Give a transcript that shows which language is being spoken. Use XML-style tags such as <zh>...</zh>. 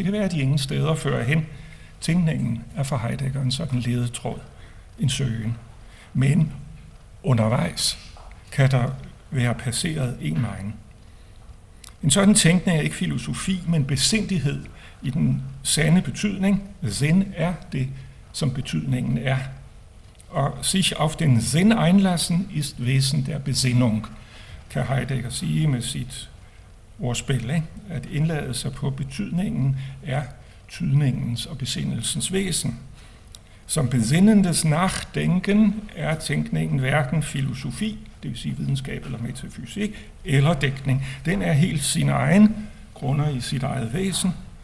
<da>Det kan være, at de ingen steder fører hen. Tænkningen er for Heidegger en sådan ledetråd, en søgen. Men undervejs kan der være passeret en megen. En sådan tænkning er ikke filosofi, men besindighed i den sande betydning. Zen er det, som betydningen er.</da> <de>Og sich auf den Sinn einlassen ist Wesen der Besinnung,</de> <da>kan Heidegger sige med sit ordspil, ikke? At indlade sig på betydningen er tydningens og besindelsens væsen. Som besindendes nachdenken er tænkningen hverken filosofi, det vil sige videnskab eller metafysik, eller dækning. Den er helt sin egen, grunder i sit eget væsen.</da>